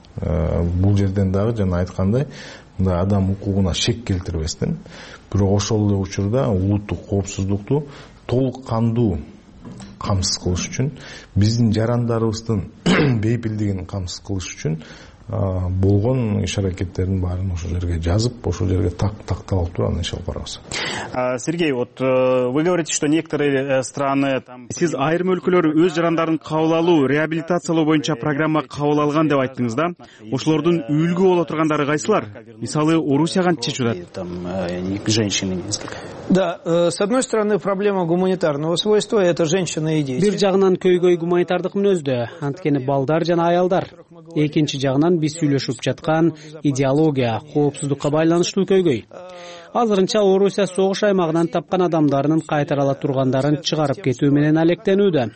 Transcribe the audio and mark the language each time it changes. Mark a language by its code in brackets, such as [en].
[ky] Бул жерден дагы жана айткандай мындай адам укугуна шек келтирбестен, бирок ошол эле учурда улуттук коопсуздукту толук кандуу камсыз кылыш үчүн, биздин жарандарыбыздын бейпилдигин камсыз кылыш үчүн болгон иш аракеттердин баарын ошол жерге жазып, ошол жерге такталып туруп анан иш алып барабыз. [ru] Сергей, вот вы говорите, что некоторые страны там. [ky] Сиз айрым өлкөлөр өз жарандарын кабыл алуу, реабилитациялоо боюнча программа кабыл алган деп айттыңыз да. Ошолордун үлгү боло тургандары кайсылар? Мисалы, Орусия кантип чечилет? [ru] Там женщины несколько. Да, с одной стороны, проблема гуманитарного свойства это женщины и дети. [ky] Бир жагынан көйгөй гуманитардык мүнөздө, анткени балдар жана аялдар. Экинчи жагынан биз сүйлөшүп жаткан идеология коопсуздукка байланыштуу көйгөй. Азырынча Орусия согуш аймагынан тапкан адамдарынын кайтара ала тургандарын чыгарып кетүү менен алектенүүдө.